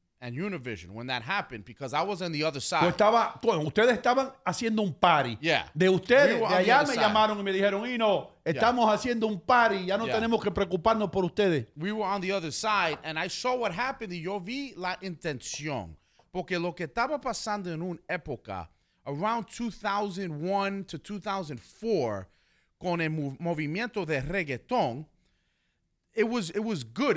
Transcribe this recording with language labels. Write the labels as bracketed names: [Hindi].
[English] and Univision when that happened because I was on the other side. [Spanish] Ustedes estaban haciendo un party. [English] Yeah. [Spanish] De ustedes, de allá me llamaron y me dijeron, Hino, estamos haciendo un party, ya no tenemos que preocuparnos por ustedes. [English] We were on the other side, and I saw what happened, [Spanish] y yo vi la intención. Porque lo que estaba pasando en una época, [English] around 2001 to 2004, [Spanish] con el movimiento de reggaetón, [English] it was good.